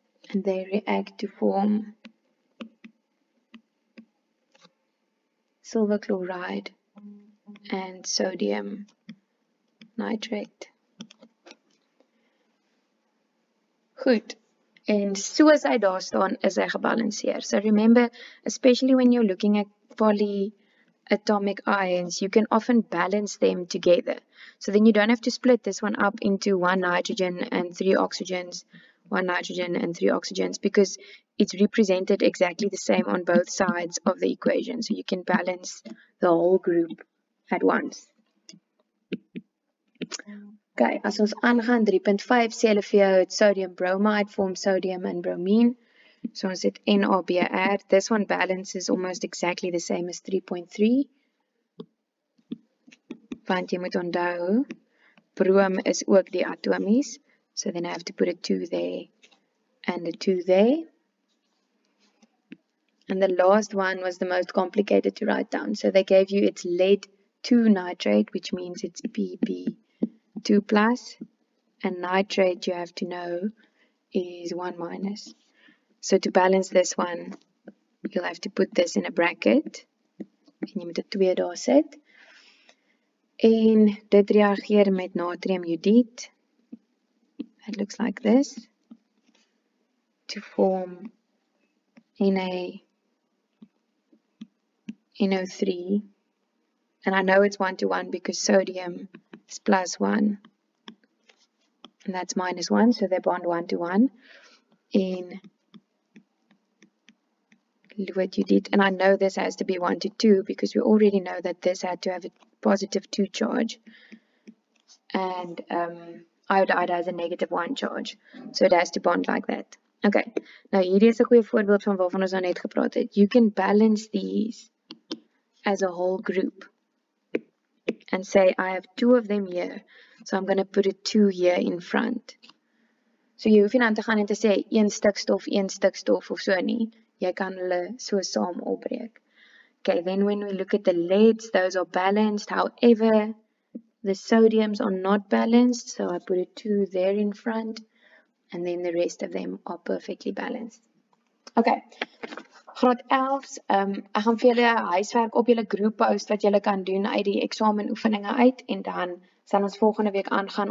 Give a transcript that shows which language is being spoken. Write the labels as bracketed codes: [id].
[en] And they react to form silver chloride and sodium nitrate. [af] Goed. En soos hy daar staan, is hy gebalanseer. [en] So remember, especially when you're looking at polyatomic ions, you can often balance them together. So then you don't have to split this one up into 1 nitrogen and 3 oxygens. 1 nitrogen and 3 oxygens, because it's represented exactly the same on both sides of the equation. So you can balance the whole group at once. [af] Okay, as ons aangaan 3.5, sê hulle vir jou, [en] it's sodium bromide, form sodium and bromine. [af] So ons het NaBr. [en] This one balances almost exactly the same as 3.3. [af] Want jy moet onthou, brom is ook die atomies. [en] So then I have to put a 2 there and a 2 there. And the last one was the most complicated to write down. So they gave you it's lead 2 nitrate, which means it's Pb2+. And nitrate, you have to know, is 1-. So to balance this one, you'll have to put this in a bracket. [af] En jy moet 'n 2 daar sit. En dit reageer met natriumiodide. [en] It looks like this, to form NaNO3, and I know it's 1-to-1 because sodium is plus 1, and that's minus 1, so they bond 1-to-1 in what you did, and I know this has to be 1-to-2 because we already know that this had to have a positive 2 charge, and iodide has a negative 1 charge, so it has to bond like that. [af] Okay, nou hierdie is 'n goeie voorbeeld van waarvan ons nou net gepraat het. [en] You can balance these as a whole group and say, I have 2 of them here, so I'm going to put a 2 here in front. [af] So jy hoef nie aan te gaan en te sê een stuk stof of so nie. Jy kan hulle so saam opbreek. [en] Okay, then when we look at the leads, those are balanced. However, the sodiums are not balanced, so I put a 2 there in front, and then the rest of them are perfectly balanced. [af] Okay, graad 11s, ek gaan vir julle huiswerk op julle group post wat julle kan doen uit die eksamen oefeninge uit, en dan sal ons volgende week aangaan.